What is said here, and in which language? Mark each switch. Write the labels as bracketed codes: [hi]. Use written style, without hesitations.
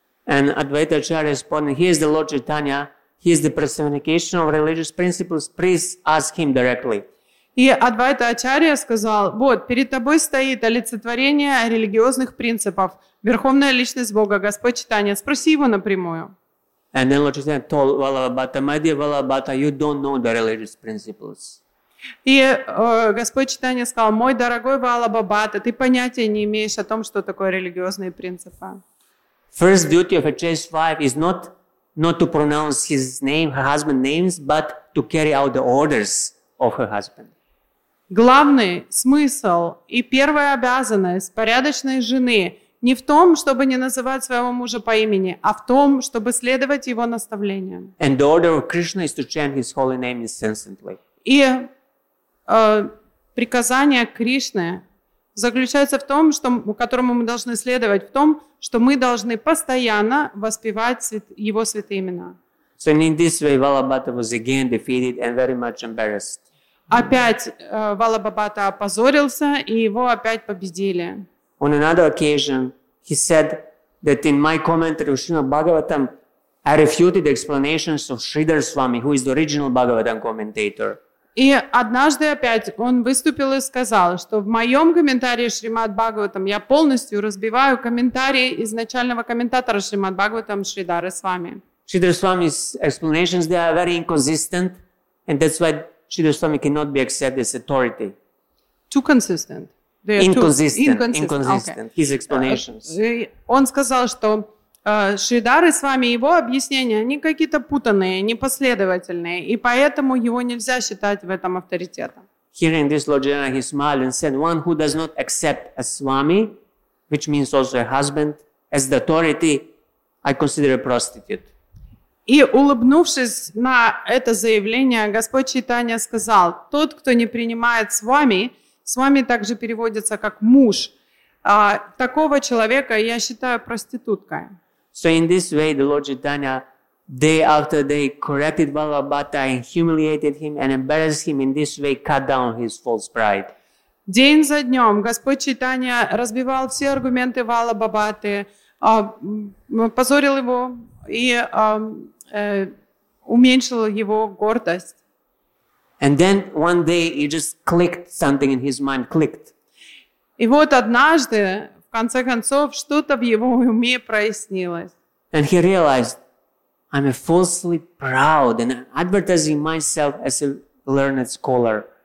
[en] And Advaita Acharya responded, he is the Lord Chaitanya, he is the personification of religious principles, please ask him directly. [ru] И Адвайта Ачарья сказал, вот, перед тобой стоит олицетворение религиозных принципов, Верховная Личность Бога, Господь Чайтанья. Спроси его напрямую. [en] And then Lord Chaitanya told Vallabhata, my dear Vallabhata, you don't know the religious principles. [ru] И Господь Чайтанья сказал, мой дорогой Валлабхабхата, ты понятия не имеешь о том, что такое религиозные принципы. [en] First duty of a chaste wife is not to pronounce his name, her husband's names, but to carry out the orders of her husband. [ru] Главный смысл и первая обязанность порядочной жены не в том, чтобы не называть своего мужа по имени, а в том, чтобы следовать его наставлениям. [en] And the order of Krishna is to chant his holy name incessantly. [ru] И приказание Кришны заключается в том, что, которому мы должны следовать, в том, что мы должны постоянно воспевать его святые имена. [en] So in this way, Vallabhata was again defeated and very much embarrassed. [ru] Опять Валлабхабхата опозорился, и его опять победили. [en] On another occasion, he said that in my commentary of Srimad Bhagavatam, I refuted the explanations of Sridhar Swami, who is the original Bhagavatam commentator. [ru] И однажды опять он выступил и сказал, что в моем комментарии Шримад Бхагаватам я полностью разбиваю комментарии изначального комментатора Шримад Бхагаватам Шридхары Свами. [en] Шридхар Свами's explanations, they are very inconsistent, and that's why Шридхар Свами cannot be accepted as authority. Too consistent. Inconsistent. Okay. His explanations. [ru] Он сказал, что Шридхары Свами, его объяснения, они какие-то путанные, непоследовательные, и поэтому его нельзя считать в этом авторитетом. [en] Hearing this, Lord Chaitanya, he smiled and said, one who does not accept a Swami, which means also a husband, as the authority, I consider a prostitute. [ru] И улыбнувшись на это заявление, Господь Чайтанья сказал, тот, кто не принимает Свами, Свами также переводится как муж, такого человека я считаю проституткой. [en] So in this way, the Lord Chaitanya, day after day, corrected Vallabhata and humiliated him and embarrassed him in this way, cut down his false pride. [ru] День за днем Господь Чайтанья разбивал все аргументы Валлабхабхаты, позорил его и уменьшил его гордость. [en] And then one day he just clicked something in his mind, clicked. [ru] И вот однажды, в конце концов, что-то в его уме прояснилось. [en] And he realized, I'm falsely proud and advertising myself as a learned scholar.